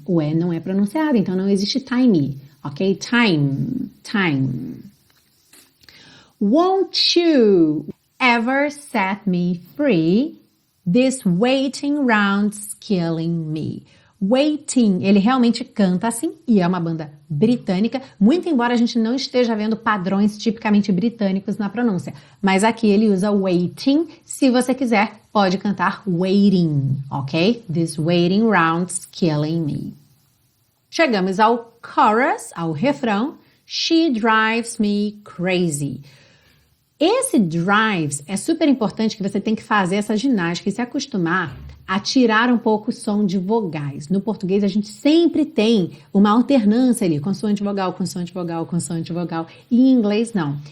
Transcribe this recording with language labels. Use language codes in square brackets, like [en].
[pt] O E não é pronunciado, então não existe time, ok? [en] Time, time. Won't you ever set me free? This waiting round's killing me. [pt] Waiting, ele realmente canta assim, e é uma banda britânica, muito embora a gente não esteja vendo padrões tipicamente britânicos na pronúncia. Mas aqui ele usa waiting, se você quiser, pode cantar waiting, ok? [en] This waiting round's killing me. [pt] Chegamos ao chorus, ao refrão. [en] She drives me crazy. [pt] Esse drives é super importante que você tem que fazer essa ginástica e se acostumar a tirar um pouco o som de vogais. No português, a gente sempre tem uma alternância ali, consoante vogal, consoante vogal, consoante vogal. E em inglês, não.